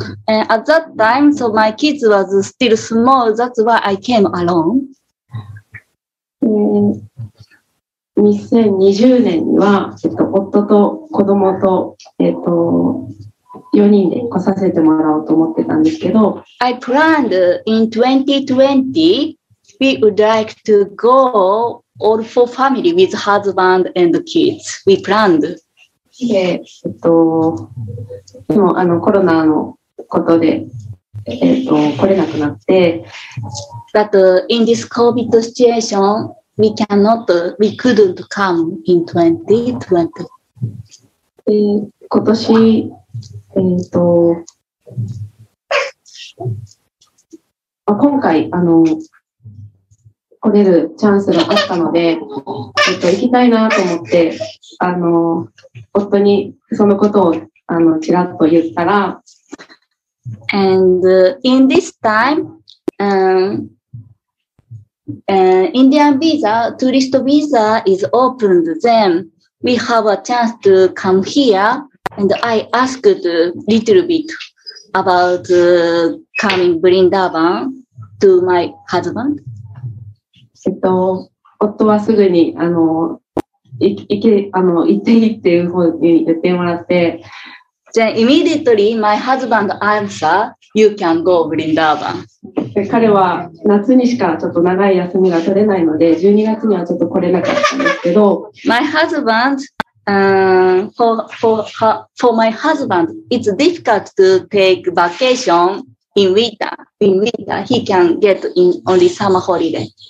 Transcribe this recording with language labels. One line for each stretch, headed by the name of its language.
English: At that time, so my kids was still small. That's why I came alone.
Japanese: 2020年には、夫と子供と、4人で来させてもらおうと思ってたんですけど。
English: I planned in 2020, we would like to go all four family with husband and kids. We planned.
Japanese: でも、コロナのことで、来れなくなって。
English: But in this COVID situation, we couldn't come in 2020.
Japanese: 今年、今回、来れるチャンスがあったので、行きたいなと思って、夫にそのことを、ちらっと言ったら、
English: And, in this time, Indian visa, tourist visa is opened, then we have a chance to come here. And I asked a little bit about coming Vrindavan to my husband.
Japanese: 夫はすぐに、行っていいっていう方に言ってもらって。
English: Then immediately my husband answered, you can go Vrindavan.
Japanese: 彼は夏にしかちょっと長い休みが取れないので、12月にはちょっと来れなかったんですけど。
English: My husband,for my husband, it's difficult to take vacation in winter. In winter, he can get in only summer holiday.